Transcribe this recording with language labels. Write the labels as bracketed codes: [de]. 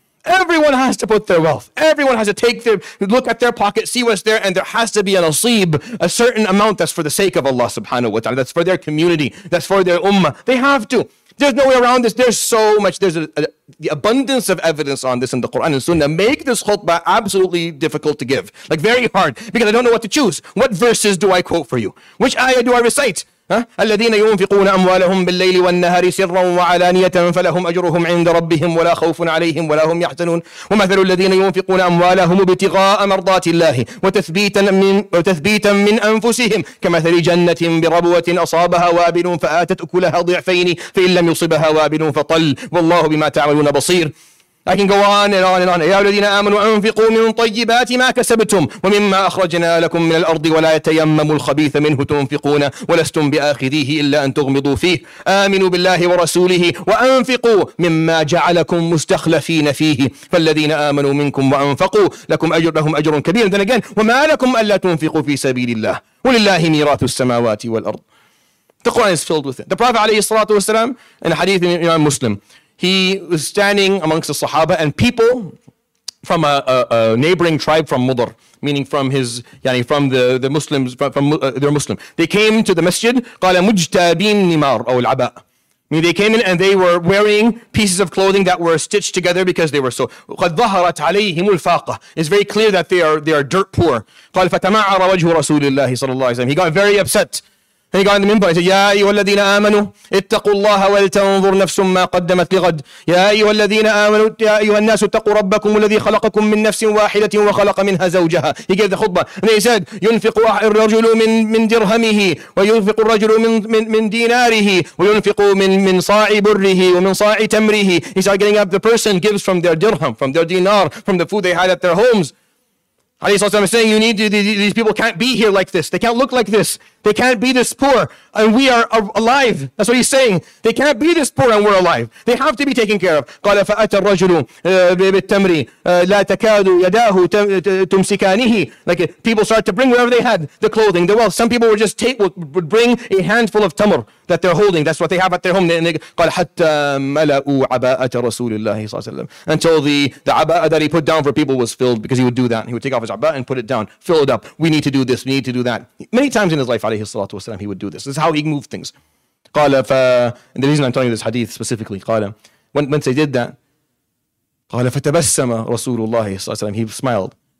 [en] Everyone has to put their wealth. Everyone has to take their look at their pocket, see what's there, and there has to be an asib, a certain amount that's for the sake of Allah subhanahu wa ta'ala, that's for their community, that's for their ummah. They have to. There's no way around this. There's so much. There's the abundance of evidence on this in the Quran and Sunnah make this khutbah absolutely difficult to give. Like very hard, because I don't know what to choose. What verses do I quote for you? Which ayah do I recite? [ar] الذين ينفقون أموالهم بالليل والنهار سرا وعلانية فلهم أجرهم عند ربهم ولا خوف عليهم ولا هم يحزنون ومثل الذين ينفقون أموالهم ابتغاء مرضات الله وتثبيتا من أنفسهم كمثل جنة بربوة أصابها وابل فآتت أكلها ضعفين فإن لم يصبها وابل فطل والله بما تعملون بصير. [en] I can go on and on and on. [ar] يَا الَّذِينَ آمَنُوا أَنْفِقُوا مِنْ طَيِّبَاتِ مَا كَسَبْتُمْ وَمِمَّا أَخْرَجْنَا لَكُمْ مِنَ الْأَرْضِ وَلَا يَتَيَمَّمُ الْخَبِيثَ مِنْهُ تُنْفِقُونَ وَلَسْتُمْ بِآخِذِيهِ إِلَّا أَنْ تُغْمِضُوا فِيهِ آمِنُوا بِاللَّهِ وَرَسُولِهِ وَأَنْفِقُوا مِمَّا جَعَلَكُمْ مُسْتَخْلَفِينَ فِيهِ فَالَّذِينَ آمَنُوا مِنْكُمْ وَأَنْفَقُوا لَكُمْ أَجْرٌ لَهُمْ أَجْرٌ كَبِيرٌ. [en] Then again, [ar] وَمَا لَكُمْ أَلَّا تُنْفِقُوا فِي سَبِيلِ اللَّهِ وَلِلَّهِ مِيرَاثُ السَّمَاوَاتِ وَالْأَرْضِ. [en] The Quran is filled with it. The Prophet عليه الصلاة والسلام, in a hadith in Imam Muslim, he was standing amongst the Sahaba, and people from a neighboring tribe from Mudr, meaning from his, yani from the Muslims, from they're Muslim. They came to the masjid, [ar] قَالَ مُجْتَابِينَ نِمَارَ أَوْ الْعَبَاءَ. [en] I mean, they came in and they were wearing pieces of clothing that were stitched together because they were so. [ar] قَدْ ظَهَرَتْ عَلَيْهِمُ الْفَاقَةَ. [en] It's very clear that they are dirt poor. [ar] قَالَ فَتَمَعَرَ وَجْهُ رَسُولِ اللَّهِ صَلَى اللَّهِ عَلَيْهِ وَسَلَّمَ. [en] He got very upset. And he got in the minbar and said, [ar] يَا أَيُّهَا الَّذِينَ آمَنُوا اتَّقُوا اللَّهَ وَلْتَنْظُرْ نَفْسٌ مَّا قَدَّمَتْ لِغَدٍ يَا أَيُّهَا الَّذِينَ آمَنُوا يَا أَيُّهَا النَّاسُ اتَّقُوا رَبَّكُمُ الَّذِي خَلَقَكُم مِّن نَّفْسٍ وَاحِدَةٍ وَخَلَقَ مِنْهَا زَوْجَهَا. [en] He gave the khutbah. And he said, [ar] يُنْفِقُ الرَّجُلُ مِنْ دِرْهَمِهِ وَيُنْفِقُ الرَّجُلُ مِنْ دِينَارِهِ وَيُنْفِقُ مِنْ صَاعِ بُرِّهِ وَمِن صَاعِ تَمْرِهِ. [en] He started getting up. The person gives from their dirham, from their dinar, from the food they had at their homes. Ali is saying, you need to, these people can't be here like this. They can't look like this. They can't be this poor. And we are alive. That's what he's saying. They can't be this poor and we're alive. They have to be taken care of. [ar] قَالَ فَأَتَى الرَّجُلُ بِالتَّمْرِ لَا تَكَادُ يَدَاهُ تُمْسِكَانِهِ. [en] Like people start to bring whatever they had, the clothing, the wealth. Some people would just would bring a handful of tamr that they're holding. That's what they have at their home. And they [ar] قَالَ حَتَّى مَلَأُوا عَبَاءَةَ رَسُولِ اللَّهِ صَلَّى اللَّهُ عَلَيْهِ وَسَلَّمَ. [en] Until the aba'a that he put down for people was filled, because he would do that. He would take off his aba'a and put it down, fill it up. We need to do this, we need to do that. Many times in his life, alayhi salatu wasalam, he would do this. This is how he moved things. قَالَ and the reason I'm telling you this hadith specifically, قَالَ when they did that, [ar] قَالَ فَتَبَسَّمَ رَسُولُ اللَّهِ صَلَّى اللَّهُ عَلَيْهِ وَسَلَّمَ. [en] He smiled.